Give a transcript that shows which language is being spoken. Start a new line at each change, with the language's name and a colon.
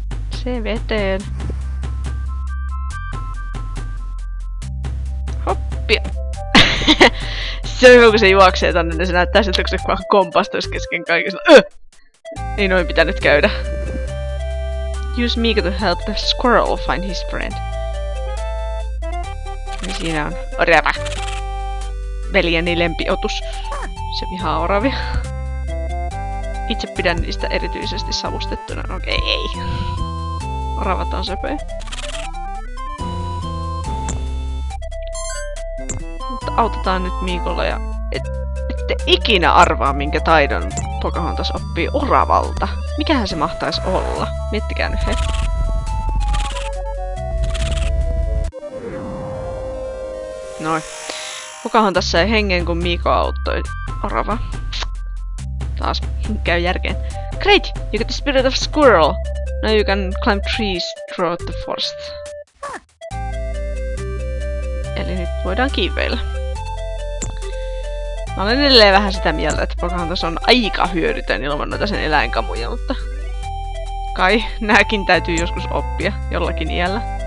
Finnish: Se veteen. Hoppia. Se on hyvä, kun se juoksee tänne, niin se näyttää siltä, kun se vaan kompastuisi kesken kaikesta. Ei noin pitänyt käydä.
English: Use Miiko to help the squirrel find his friend.
Finnish: Ja siinä on orava. Veljeni lempiotus. Se vihaa oravia. Itse pidän niistä erityisesti savustettuna. Okei, ei. Oravat on söpöjä. Mutta autetaan nyt Miikolla ja... Ette ikinä arvaa, minkä taidon Pocahontas oppii oravalta. Mikähän se mahtaisi olla? Miettikää nyt hetki. Noin. Kukahan tässä ei hengen, kun Miiko auttoi orava. Taas käy järkeen.
English: Great! You got the spirit of squirrel. Now you can climb trees throughout the forest.
Finnish: Eli nyt voidaan kiipeillä. Mä olen edelleen vähän sitä mieltä, että Pocahontas on aika hyödytön ilman noita sen eläinkamuja, mutta... Kai, nääkin täytyy joskus oppia jollakin iällä.